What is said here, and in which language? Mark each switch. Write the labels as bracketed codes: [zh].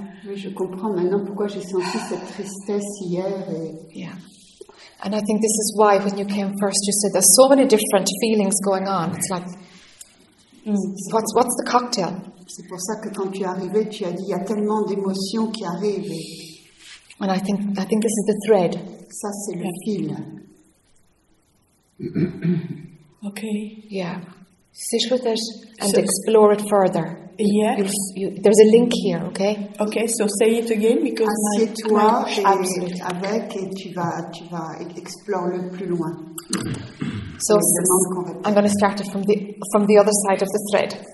[fr] Oui, je comprends maintenant pourquoi j'ai senti cette tristesse hier. Et... [en] Yeah. And I think this is why when you came first, you said there's so many different feelings going on. It's like, what's the cocktail? [fr] C'est pour ça que quand tu es arrivé, tu as dit, il y a tellement d'émotions qui arrivent. [en] And I think this is the thread. [fr] Ça, c'est le fil. [en] Okay. Yeah. Sit with it and explore it further. Yeah. There's a link here, okay? Okay, so say it again because [fr] assieds-toi avec et tu vas explorer le plus loin. [en] So I'm going to start it from the other side of the thread.